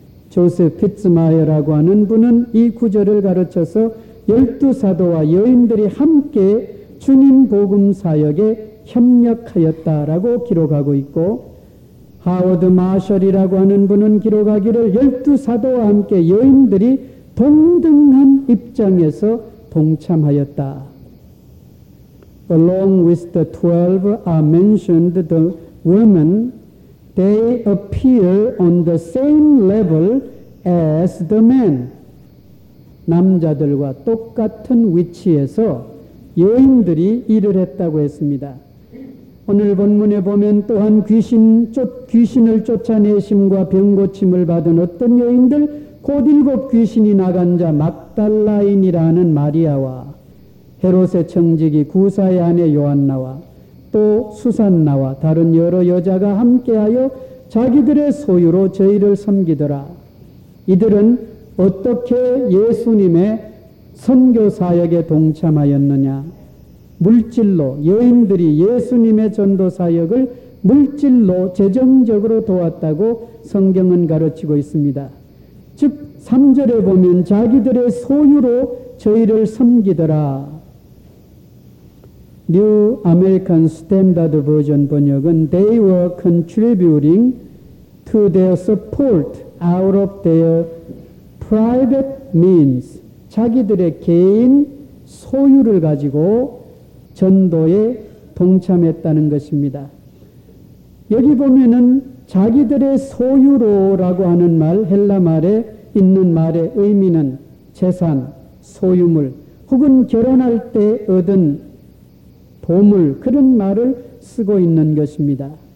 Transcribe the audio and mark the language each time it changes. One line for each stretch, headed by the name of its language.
Korean: 조셉 피츠마이어라고 하는 분은 이 구절을 가르쳐서 열두 사도와 여인들이 함께 주님 복음 사역에 협력하였다라고 기록하고 있고 하워드 마셜이라고 하는 분은 기록하기를 열두 사도와 함께 여인들이 동등한 입장에서 동참하였다.
English: Along with the 12 are mentioned the women, they appear on the same level as the men.
Korean: 남자들과 똑같은 위치에서 여인들이 일을 했다고 했습니다. 오늘 본문에 보면 또한 귀신을 쫓아내심과 병고침을 받은 어떤 여인들, 곧 일곱 귀신이 나간 자 막달라인이라는 마리아와 헤롯의 청지기 구사의 아내 요한나와 또 수산나와 다른 여러 여자가 함께하여 자기들의 소유로 저희를 섬기더라. 이들은 어떻게 예수님의 선교사역에 동참하였느냐? 물질로, 여인들이 예수님의 전도사역을 물질로 재정적으로 도왔다고 성경은 가르치고 있습니다. 즉 3절에 보면 자기들의 소유로 저희를 섬기더라. 뉴 아메리칸 스탠다드 버전 번역은
English: They were contributing to their support out of their private means.
Korean: 자기들의 개인 소유를 가지고 전도에 동참했다는 것입니다. 여기 보면은 자기들의 소유로라고 하는 말, 헬라 말에 있는 말의 의미는 재산, 소유물, 혹은 결혼할 때 얻은 보물, 그런 말을 쓰고 있는 것입니다.